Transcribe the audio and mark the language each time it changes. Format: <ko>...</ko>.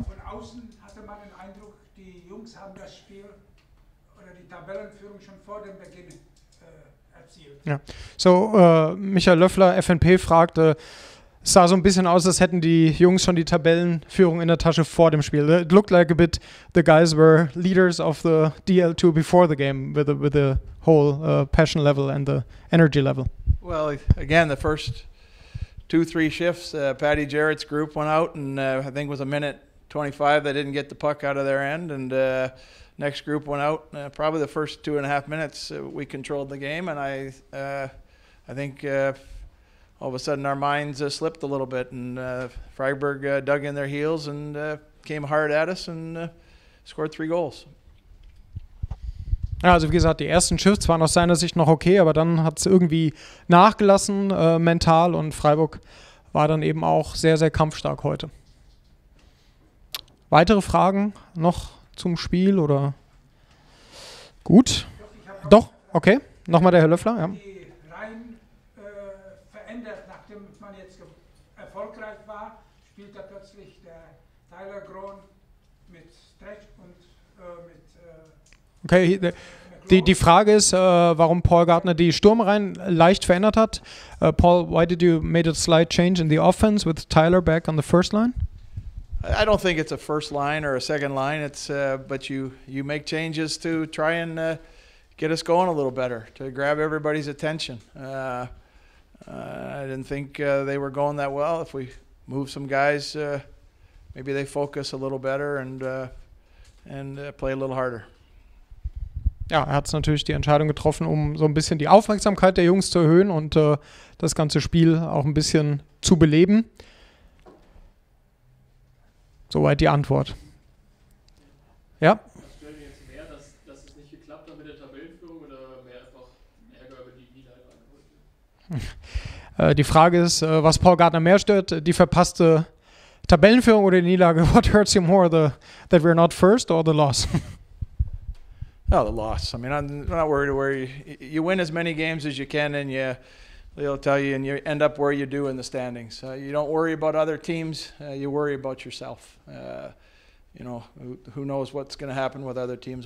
<de>Von außen hatte man den Eindruck, die Jungs haben das Spiel oder die Tabellenführung schon vor dem Beginn erzielt. Ja. So, Michael Löffler, FNP, fragte, es sah so ein bisschen aus, als hätten die Jungs schon die Tabellenführung in der Tasche vor dem Spiel.</de> <en>It looked like a bit the guys were leaders of the DL2 before the game with the whole passion level and the energy level. Well, again, the first 2-3 shifts, Paddy Jarrett's group went out, and I think it was a minute 25 they didn't get the puck out of their end, and next group went out. Probably the first 2.5 minutes we controlled the game, and I think all of a sudden our minds slipped a little bit, and Freiburg dug in their heels and came hard at us and scored 3 goals.</en> <de>Also wie gesagt, die ersten Shifts waren aus seiner Sicht noch okay, aber dann hat es irgendwie nachgelassen mental und Freiburg war dann eben auch sehr, sehr kampfstark heute. Weitere Fragen noch zum Spiel oder? Gut. Doch, okay. Nochmal der Herr Löffler. Ja. Die Reihen verändert, nachdem man jetzt erfolgreich war, spielt da plötzlich der Tyler Grohn mit Stretch und mit. Okay, die Frage ist, warum Paul Gardner die Sturmreihen leicht verändert hat.</de> <en>Paul, why did you make a slight change in the offense with Tyler back on the first line? I don't think it's a first line or a second line. It's but you make changes to try and get us going a little better, to grab everybody's attention. I didn't think they were going that well. If we move some guys, maybe they focus a little better and play a little harder.</en> <de>Ja, er hat natürlich die Entscheidung getroffen, um so ein bisschen die Aufmerksamkeit der Jungs zu erhöhen und das ganze Spiel auch ein bisschen zu beleben. Soweit die Antwort. Ja? Stört mich jetzt mehr, dass es nicht geklappt hat mit der Tabellenführung oder mehr einfach Ärger über die Niederlage? Die Frage ist, was Paul Gardner mehr stört, die verpasste Tabellenführung oder die Niederlage?</de> <en>What hurts you more, that we're not first or the loss? Oh, the loss. I mean, I'm not worried where you win as many games as you can, and yeah, they'll tell you, and you end up where you do in the standings. You don't worry about other teams. You worry about yourself. You know, who knows what's going to happen with other teams?</en>